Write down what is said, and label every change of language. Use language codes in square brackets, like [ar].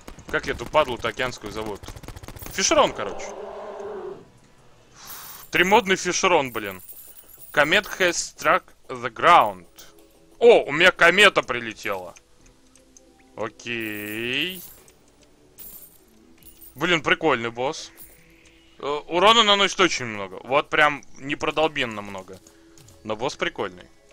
[ru] как я эту падлу-то океанскую зовут? Фишерон, короче. Тримодный фишерон, блин. [en] Comet has struck the ground. [ru] О, у меня комета прилетела. Окей. Блин, прикольный босс. Урона наносит очень много. Вот прям непродолбенно много. Но босс прикольный.